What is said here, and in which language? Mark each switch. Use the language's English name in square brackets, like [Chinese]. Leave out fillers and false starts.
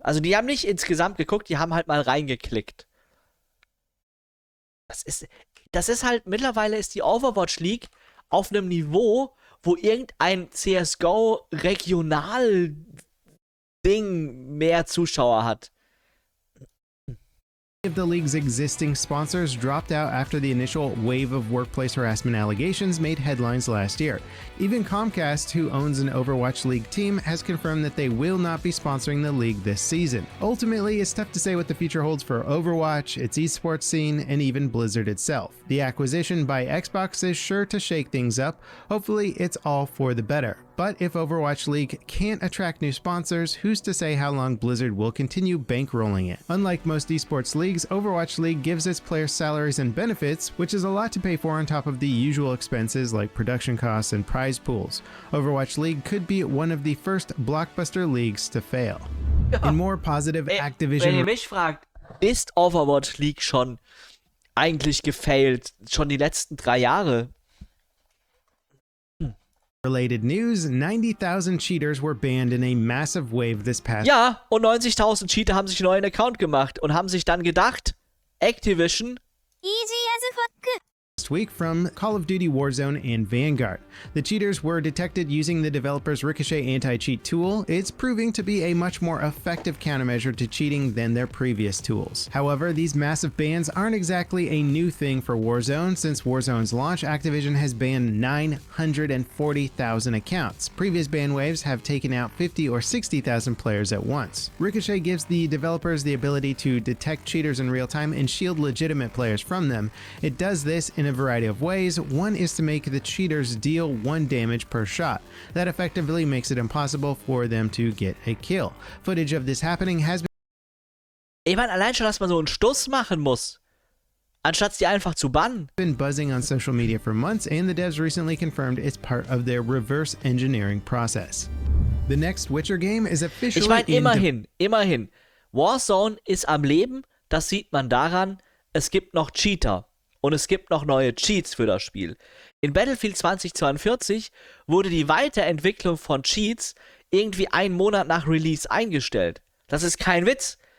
[German] Also die haben nicht insgesamt geguckt, die haben halt mal reingeklickt. Das ist halt, mittlerweile ist die Overwatch League auf einem Niveau, wo irgendein CSGO-Regional-Ding mehr Zuschauer hat. [English] of the league's existing sponsors dropped out after the initial wave of workplace harassment allegations made headlines last year. Even Comcast, who owns an Overwatch League team, has confirmed that they will not be sponsoring the league this season. Ultimately, it's tough to say what the future holds for Overwatch, its esports scene, and even Blizzard itself. The acquisition by Xbox is sure to shake things up. Hopefully, it's all for the better. But if Overwatch League can't attract new sponsors, who's to say how long Blizzard will continue bankrolling it? Unlike most esports leagues, Overwatch League gives its players salaries and benefits, which is a lot to pay for on top of the usual expenses like production costs and prize pools. Overwatch League could be one of the first blockbuster leagues to fail. In more positive Activision... [German] Wenn ihr mich fragt, ist Overwatch League schon eigentlich gefailed, schon die letzten drei Jahre? [English] Related news, 90,000 cheaters were banned in a massive wave this past... [German] Ja, und 90,000 Cheater haben sich einen neuen Account gemacht und haben sich dann gedacht, Activision... [English] Easy as a fuck... week from Call of Duty Warzone and Vanguard. The cheaters were detected using the developer's Ricochet anti-cheat tool. It's proving to be a much more effective countermeasure to cheating than their previous tools. However, these massive bans aren't exactly a new thing for Warzone. Since Warzone's launch, Activision has banned 940,000 accounts. Previous ban waves have taken out 50 or 60,000 players at once. Ricochet gives the developers the ability to detect cheaters in real time and shield legitimate players from them. It does this in a variety of ways. One is to make the cheaters deal one damage per shot. That effectively makes it impossible for them to get a kill. Footage of this happening has been... [German] Ich meine, allein schon, dass man so einen Stuss machen muss, anstatt sie einfach zu bannen. [English] ...been buzzing on social media for months, and the devs recently confirmed it's part of their reverse engineering process. The next Witcher game is officially... [German] Ich meine, immerhin. Warzone ist am Leben, das sieht man daran, es gibt noch Cheater. Und es gibt noch neue Cheats für das Spiel. In Battlefield 2042 wurde die Weiterentwicklung von Cheats irgendwie einen Monat nach Release eingestellt. Das ist kein Witz.